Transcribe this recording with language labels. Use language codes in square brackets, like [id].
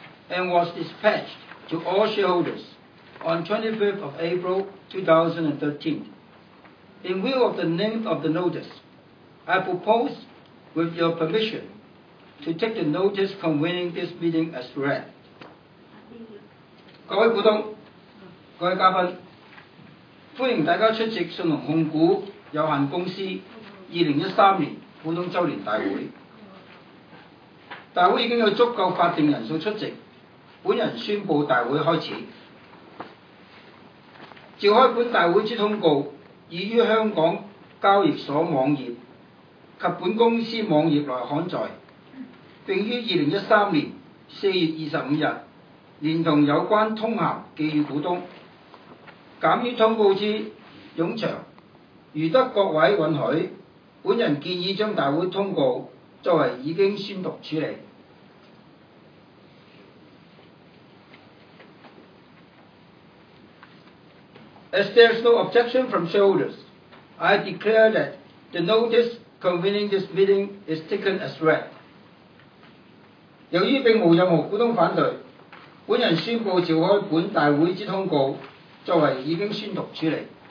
[en] And was dispatched to all shareholders on 25th of April 2013. In view of the length of the notice, I propose, with your permission, to take the notice convening this meeting as read. [zh] 各位股东，各位嘉宾，欢迎大家出席信隆控股有限公司2013年股东周年大会。大会已经有足够法定人数出席。本人宣布大会开始。召开本大会之通告已于香港交易所网页及本公司网页内刊载，并于2013年4月25日连同有关通函寄予股东。鉴于通告之冗长，如得各位允许，本人建议将大会通告作为已经宣读处理。 [en] As there is no objection from shareholders, I declare that the notice convening this meeting is taken as read. [zh] 由于并无任何股东反对，本人宣布召开本大会之通告作为已经宣读处理。